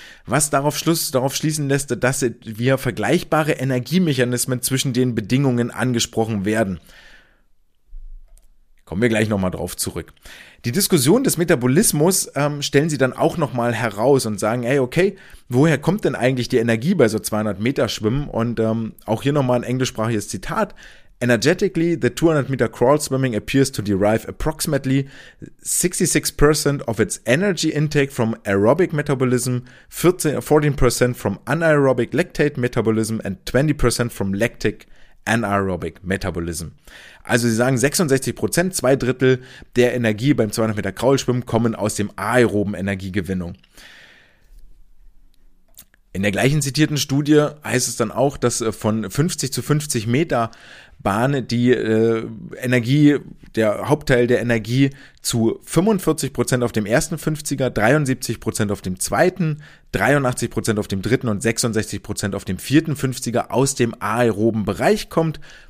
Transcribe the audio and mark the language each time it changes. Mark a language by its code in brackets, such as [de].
[de] Was darauf schließen lässt, dass wir vergleichbare Energiemechanismen zwischen den Bedingungen angesprochen werden. Kommen wir gleich nochmal drauf zurück. Die Diskussion des Metabolismus stellen sie dann auch nochmal heraus und sagen, ey, okay, woher kommt denn eigentlich die Energie bei so 200 Meter Schwimmen? Und auch hier nochmal ein englischsprachiges Zitat. [en] Energetically, the 200 Meter crawl swimming appears to derive approximately 66% of its energy intake from aerobic metabolism, 14% from anaerobic lactate metabolism and 20% from lactic anaerobic metabolism. [de] Also sie sagen 66%, zwei Drittel der Energie beim 200 Meter Kraulschwimmen kommen aus dem aeroben Energiegewinnung. In der gleichen zitierten Studie heißt es dann auch, dass von 50 zu 50 Meter Bahn die Energie, der Hauptteil der Energie zu 45% auf dem ersten 50er, 73% auf dem zweiten, 83% auf dem dritten und 66% auf dem vierten 50er aus dem aeroben Bereich kommt.